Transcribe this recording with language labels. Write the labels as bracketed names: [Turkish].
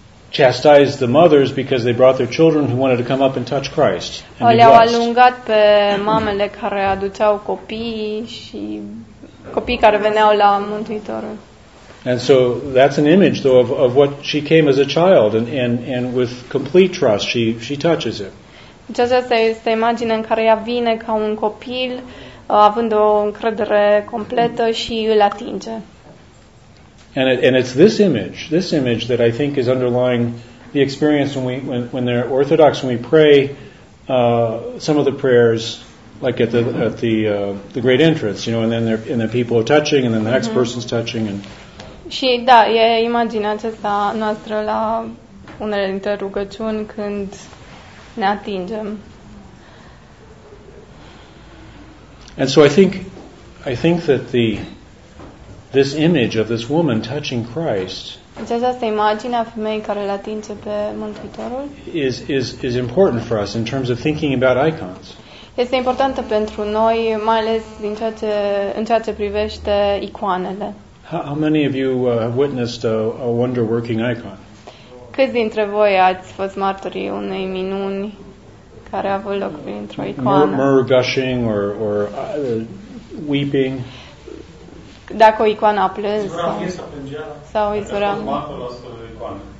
[English] chastised the mothers because they brought their children who wanted to come up and touch Christ. [Romanian] Le-au alungat pe mamele care aduceau copii și copiii care veneau la Mântuitorul. [English] And so that's an image, though, of what she came as a child, and with complete trust, she touches it. [Romanian] Deci aceasta este imaginea în care ea vine ca un copil, având o încredere completă și îl atinge. [English] And it's this image that I think is underlying the experience when they're Orthodox, when we pray some of the prayers, like at the great entrance, you know, and then people are touching, and then the next person's touching, and. [Romanian] Și da, e imaginea aceasta noastră la unele dintre rugăciuni când ne atingem. [English] And so I think that this image of this woman touching Christ. [Romanian] Această imagine a femeii care îl atinge pe Mântuitorul. [English] Is important for us in terms of thinking about icons. [Romanian] Este importantă pentru noi, mai ales în ceea ce privește icoanele. [English] How many of you have witnessed a wonder-working icon? [Romanian] Câți dintre voi ați fost martorii unei minuni care a avut loc printr-o icoană? [English] Myrrh gushing or weeping. [Romanian] Dacă o icoană a plâns. Izvora fie să plângea. Sau izvora. Dacă a fost martorul astfel de icoană.